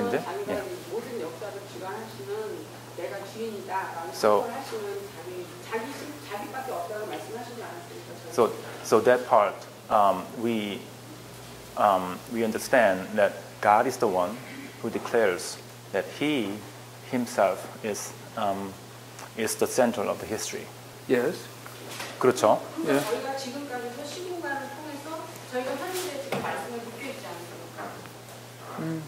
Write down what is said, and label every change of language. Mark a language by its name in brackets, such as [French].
[Korean] 이제 모든 역사를 주관하시는 내가 주인이다. So 자기밖에 없다고 말씀하시지 않았습니까? [English] So that part we understand that God is the one who declares that He Himself is the center of the history. Yes. [Korean] 그렇죠. 저희가 지금까지 시공간을 통해서 저희가 현재 지금 말씀에 묶여 있지 않습니까?